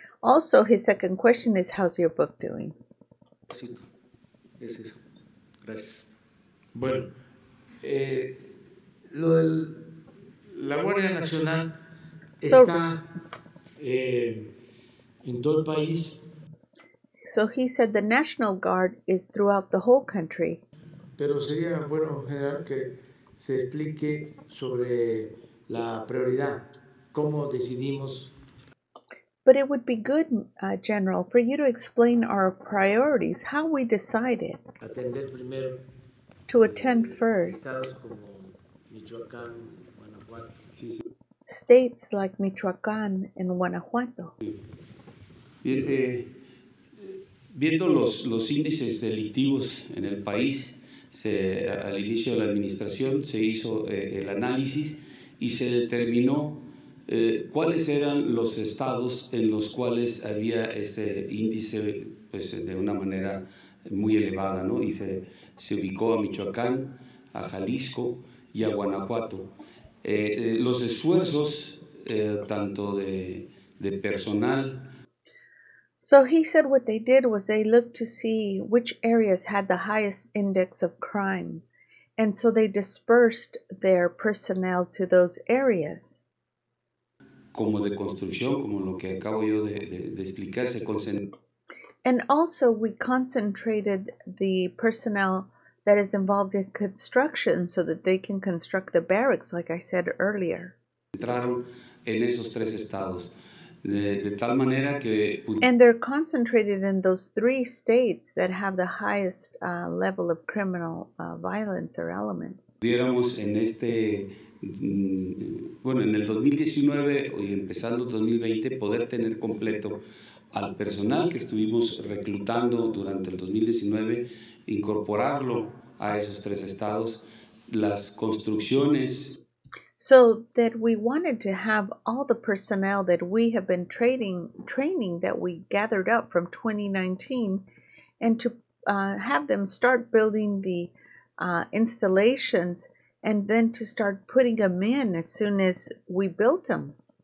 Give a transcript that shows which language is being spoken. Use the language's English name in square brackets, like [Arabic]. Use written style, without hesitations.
[English] Also, his second question is, how's your book doing? [Spanish] Sí, es eso. Gracias. Bueno, lo de la Guardia Nacional está en todo el país. [English] So he said the National Guard is throughout the whole country. [Spanish] Pero sería bueno, general, que se explique sobre la prioridad, cómo decidimos. [English] But it would be good, General, for you to explain our priorities, how we decided [Spanish] primero, [English] to attend first. [Spanish] Estados como Michoacán, Guanajuato. Sí, sí. [English] States like Michoacán and Guanajuato. [Spanish] Bien, viendo los índices delictivos en el país, al inicio de la administración se hizo el análisis y se determinó ¿cuáles eran los estados en los cuales había ese índice, pues, de una manera muy elevada, ¿no? Y se ubicó a Michoacán, a Jalisco y a Guanajuato. Los esfuerzos tanto de personal. [English] So he said what they did was they looked to see which areas had the highest index of crime, and so they dispersed their personnel to those areas. [Spanish] Como de construcción, como lo que acabo yo de explicar, se concentró. [English] And also we concentrated the personnel that is involved in construction so that they can construct the barracks, like I said earlier. [Spanish] Entraron en esos tres estados. De tal manera que [English] and they're concentrated in those three states that have the highest level of criminal violence or elements. [Spanish] Pudiéramos en este, bueno, en el 2019 y empezando 2020, poder tener completo al personal que estuvimos reclutando durante el 2019, incorporarlo a esos tres estados, las construcciones. [English] So that we wanted to have all the personnel that we have been training that we gathered up from 2019 and to have them start building the installations and then to start putting them in as soon as we built them.